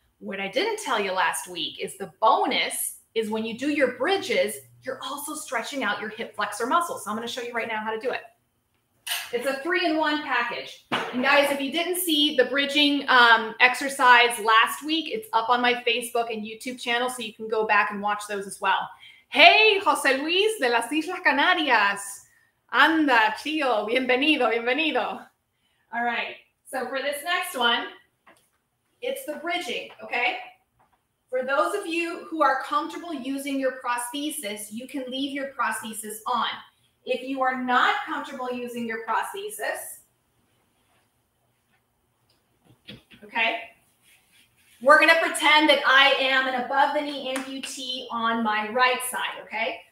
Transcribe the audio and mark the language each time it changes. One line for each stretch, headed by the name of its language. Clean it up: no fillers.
English: What I didn't tell you last week is the bonus is when you do your bridges, you're also stretching out your hip flexor muscles. So I'm gonna show you right now how to do it. It's a 3-in-1 package. And guys, if you didn't see the bridging exercise last week, it's up on my Facebook and YouTube channel, so you can go back and watch those as well.
Spanish: Hey, Jose Luis de las Islas Canarias. Anda, tío, bienvenido, bienvenido.
English: All right, so for this next one, it's the bridging, okay? For those of you who are comfortable using your prosthesis, you can leave your prosthesis on. If you are not comfortable using your prosthesis, okay, we're gonna pretend that I am an above the knee amputee on my right side, okay?